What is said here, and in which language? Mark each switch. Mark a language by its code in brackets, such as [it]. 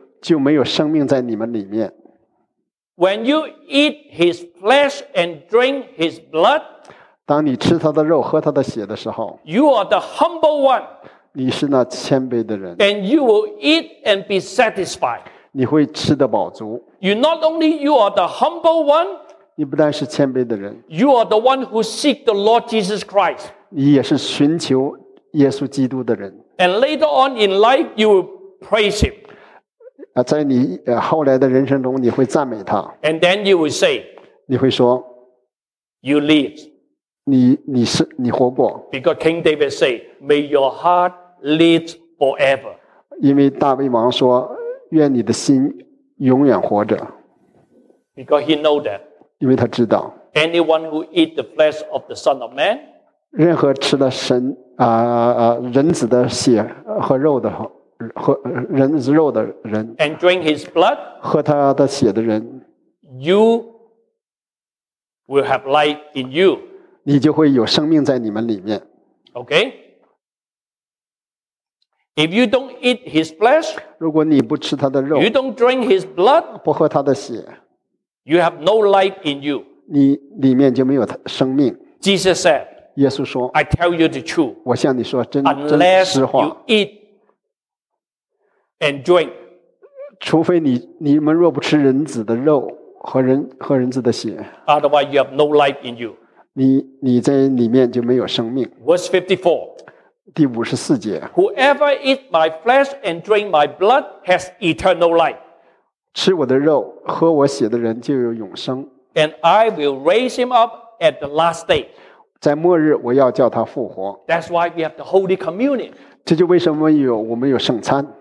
[zh] 就没有生命在你们里面 [en] when you eat his flesh and drink his blood, [zh] 当你吃他的肉喝他的血的时候 [en] you are the humble one, [zh] 你是那谦卑的人。 [en] And you will eat and be satisfied. [zh] 你会吃得饱足。 [en] You not only you are the humble one. [zh] 你不但是谦卑的人。 [en] You are the one who seek the Lord Jesus Christ. [zh] 你也是寻求耶稣基督的人。 [en] And later on in life, you will praise him. [zh] 在你后来的人生中，你会赞美他。 [en] And then you will say. [zh] 你会说。 [en] You live. [zh] 你活过。 [en] Because King David said, may your heart live forever. [zh] 因为大卫王说愿你的心永远活着。 [en] Because he knows that. [zh] 因为他知道。 [en] Anyone who eats the flesh of the Son of Man, [zh] 任何吃了神人子的血和肉的和人子肉的人 [en] and drink his blood, [zh] 喝他的血的人 [en] you will have life in you. [zh] 你就会有生命在你们里面。 [en] Okay? If you don't eat his flesh, [zh] 如果你不吃他的肉 [en] you don't drink his blood, [zh] 不喝他的血 [en] you have no life in you. [zh] 你里面就没有生命。 [en] Jesus said, [zh] 耶稣说 [en] I tell you the truth, [zh] 我向你说真实话 [en] unless you eat and drink, [zh] 除非你们若不吃人子的肉和人子的血 [en] otherwise you have no life in you. [zh] 你在里面就没有生命。 [en] Verse 54. [zh] 第五十四节。 [en] Whoever eat my flesh and drink my blood has eternal life. [zh] 吃我的肉喝我血的人就有永生。 [en] And I will raise him up at the last day. [zh] 在末日我要叫他复活。 [en] That's why we have the Holy Communion. [zh] 这就为什么我们有圣餐。